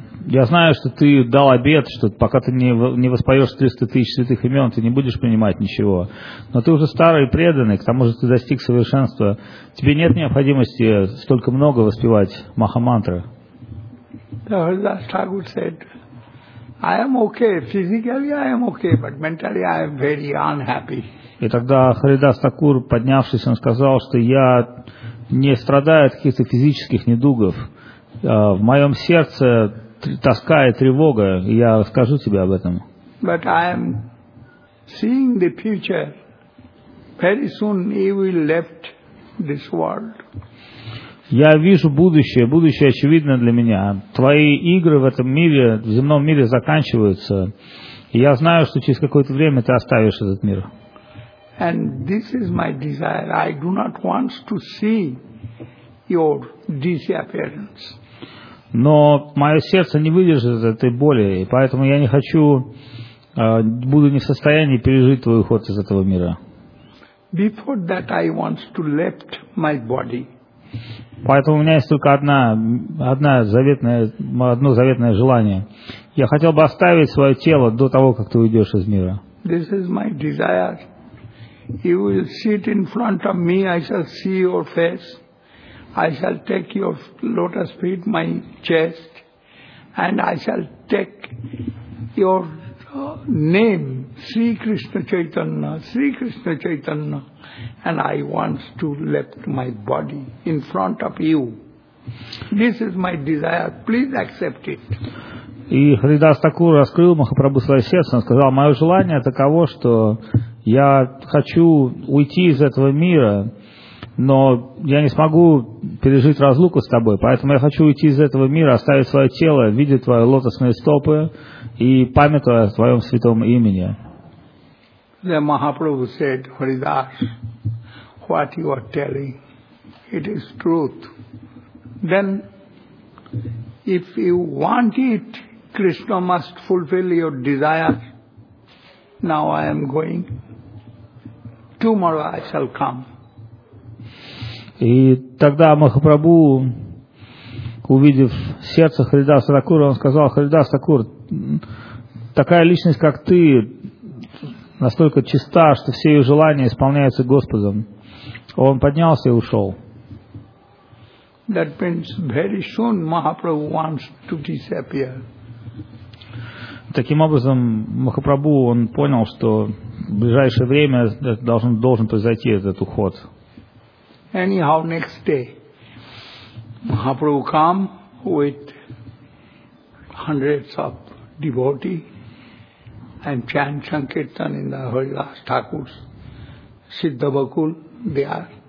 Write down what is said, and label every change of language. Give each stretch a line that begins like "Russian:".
Russian: Я знаю, что ты дал обет, что пока ты не воспоешь 300 тысяч святых имен, ты не будешь принимать ничего. Но ты уже старый и преданный, к тому же ты достиг совершенства. Тебе нет необходимости столько много воспевать Махамантры.
English: The Haridas Thakur said, I am okay, physically I am okay, but mentally I am very unhappy.
Russian: И тогда Харидас Такур, поднявшись, он сказал, что я не страдаю от каких-то физических недугов. В моем сердце тоска и тревога, и я скажу тебе об этом.
English: But I am seeing the future. Very soon he will left this world.
Russian: Я вижу будущее, будущее очевидно для меня. Твои игры в этом мире, в земном мире заканчиваются. И я знаю, что через какое-то время ты оставишь этот мир.
English: And this is my desire. I do not want to see your disappearance.
Russian: Но мое сердце не выдержит этой боли, и поэтому я не хочу, буду не в состоянии пережить твой уход из этого мира.
English: Before that I want to left my body.
Russian: Поэтому у меня есть только одно заветное желание. Я хотел бы оставить свое тело до того, как ты уйдешь из мира.
English: This is my desire. You will sit in front of me, I shall see your face. I shall take your lotus feet, my chest, and I shall take your name, Sri Krishna Chaitanya, Sri Krishna Chaitanya. And I want to left my body in front of you. This is my desire. Please accept it.
Russian: И Харидас Такур раскрыл Махапрабху свое сердце. Он сказал, мое желание таково, что я хочу уйти из этого мира, но я не смогу пережить разлуку с тобой. Поэтому я хочу уйти из этого мира, оставить свое тело, видеть твои лотосные стопы и памятуя о твоем святом имени.
English: The Mahaprabhu said, Haridas, what you are telling, it is truth. Then, if you want it, Krishna must fulfill your desire. Now I am going. Tomorrow I shall come.
Russian: И тогда Махапрабху, увидев сердце Харидаса Такура, он сказал, Харидас Такур, такая личность, как ты, настолько чиста, что все ее желания исполняются Господом. Он поднялся и ушел.
English: That means very soon Mahaprabhu wants to disappear.
Russian: Таким образом, Махапрабху, он понял, что в ближайшее время должен произойти этот уход.
English: Anyhow, next day, Mahaprabhu came with hundreds of devotees and chant Sankirtan in the Haridas Thakur's Siddha Bakul there.